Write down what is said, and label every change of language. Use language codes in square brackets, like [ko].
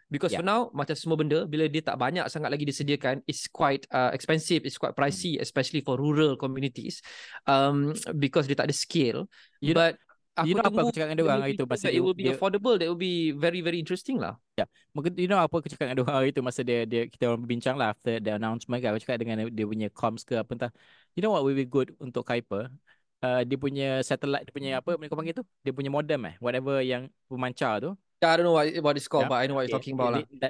[en] Because for now, [ms] macam semua benda, bila dia tak banyak sangat lagi disediakan, [en] it's quite expensive, it's quite pricey, especially for rural communities. Because [ms] dia tak ada scale. [en] You know [ms] apa aku cakap dengan dia orang hari tu? [en] It will be affordable, that will be very, very interesting lah. Yeah. [ms] Mungkin [en] you know [ms] apa aku cakap dengan dia orang hari tu masa dia kita orang berbincang lah [en] after the announcement [ms] kan. Aku cakap dengan dia punya comms ke apa entah. [en] You know what will be good [ms] untuk Kuiper? Dia punya satellite, dia punya apa mereka panggil tu? Dia punya modem eh? [en] Whatever [ms] yang pemancar tu. [en] Yeah, I don't know what it's called, yeah, but I know what you're talking about lah.